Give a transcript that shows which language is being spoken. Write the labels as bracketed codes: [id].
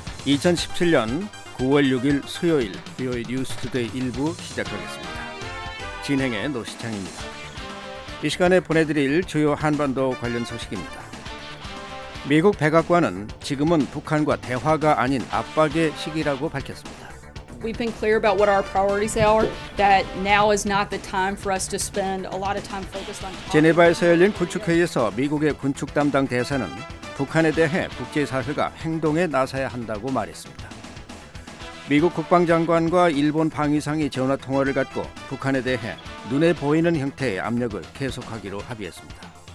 [ko] 2017년 9월 6일 수요일 BOA 뉴스 투데이 1부 시작하겠습니다. 진행의 노시창입니다. 이 시간에 보내드릴 주요 한반도 관련 소식입니다. 미국 백악관은 지금은 북한과 대화가 아닌 압박의 시기라고 밝혔습니다. [en] We've been clear about what our priorities are, that now is not the time for us to spend a lot of time focused on. [ko] 제네바에서 열린 군축회의에서 미국의 군축 담당 대사는 북한에 대해 국제사회가 행동에 나서야 한다고 말했습니다. 미국 국방장관과 일본 방위상이 전화 통화를 갖고 북한에 대해 눈에 보이는 형태의 압력을 계속하기로 합의했습니다.